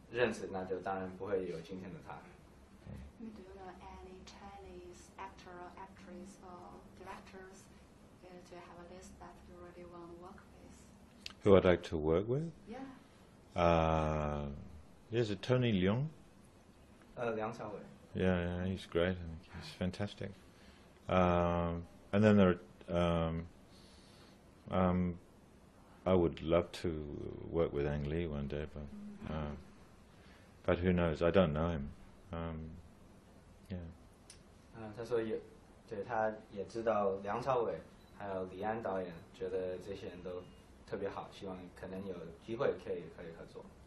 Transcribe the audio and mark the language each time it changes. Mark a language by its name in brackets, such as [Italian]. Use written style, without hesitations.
[Chinese] 可以影响到很大的一些结果，然后他也觉得，如果在社会里你很自私，这个社会肯定会有很大的一些矛盾，那他就说在他自己的生活里，譬如说他爸妈因为对表演还有演戏有非常他们现在不是演员，因为他们两个人对这个有兴趣才认识的，那如果没有说认识，那就当然不会有今天的他。 [English] Do you know any Chinese actor or actress or directors? Do you have a list that you really want to work with? Who I'd like to work with? Yeah. Is it Tony Leung? Liang Xiaowei. Yeah, he's great. He's fantastic. And then there are... I would love to work with Ang Lee one day, but who knows? I don't know him. Yeah. [Chinese] 他说也，对，他也知道梁朝伟，还有李安导演，觉得这些人都特别好，希望可能有机会可以合作。